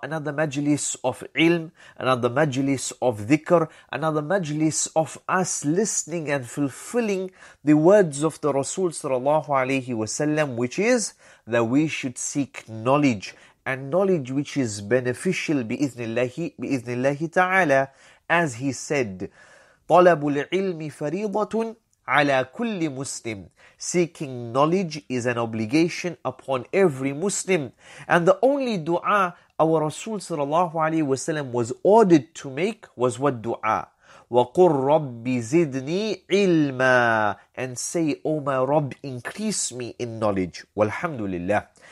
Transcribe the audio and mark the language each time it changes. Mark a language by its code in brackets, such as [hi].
[en] Another majlis of ilm, another majlis of dhikr, another majlis of us listening and fulfilling the words of the Rasul sallallahu alayhi wa sallam, which is that we should seek knowledge. And knowledge which is beneficial bi-idhnillahi ta'ala. As he said, [ar] طلب العلم فريضة على كل مسلم. [en] Seeking knowledge is an obligation upon every Muslim. And the only dua our Rasul sallallahu alayhi wa sallam was ordered to make was what dua? [ar] وَقُلْ رَبِّ زِدْنِي عِلْمًا. [en] And say, O my Rabb, increase me in knowledge. Walhamdulillah.